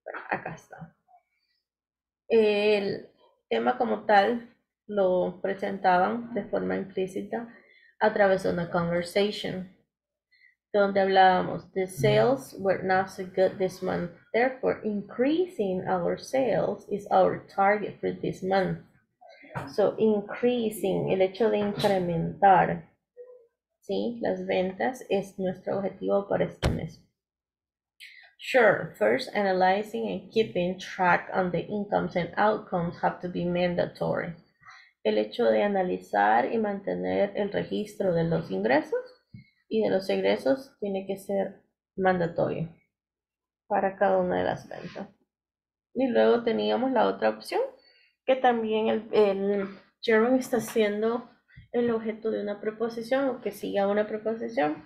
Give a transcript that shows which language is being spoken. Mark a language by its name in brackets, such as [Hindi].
[Spanish] Acá está. El tema como tal lo presentaban de forma implícita a través de una conversation, donde hablábamos, [English] the sales were not so good this month, therefore increasing our sales is our target for this month. So increasing, [Spanish] el hecho de incrementar, ¿sí?, las ventas es nuestro objetivo para este mes. [English] Sure, first analyzing and keeping track on the incomes and outcomes have to be mandatory. [Spanish] El hecho de analizar y mantener el registro de los ingresos y de los egresos tiene que ser mandatorio para cada una de las ventas. Y luego teníamos la otra opción, que también el gerund está siendo el objeto de una preposición o que siga una preposición.